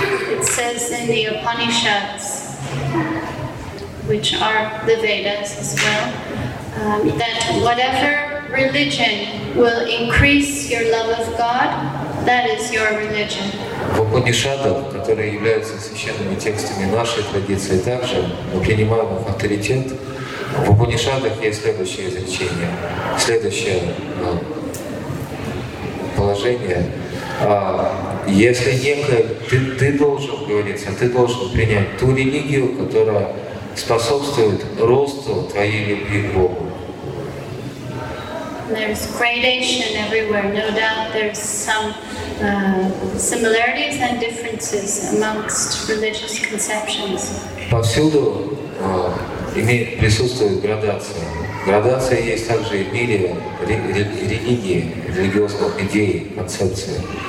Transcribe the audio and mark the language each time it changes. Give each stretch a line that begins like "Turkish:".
English: It says in the Upanishads, which are the Vedas as well, that whatever religion will increase your love of God, that is your religion.
Russian: В Упанишадах, которые являются священными текстами нашей традиции, также мы принимаем их авторитет. В Упанишадах есть следующее изречение, следующее положение. Если некое, ты должен, говорится, ты должен принять ту религию, которая способствует росту твоей любви к Богу.
English: There's gradation everywhere. No doubt there's some similarities and differences amongst religious conceptions.
Russian: Повсюду присутствует градация. Градация есть также и в мире религии, религиозных идей, концепции.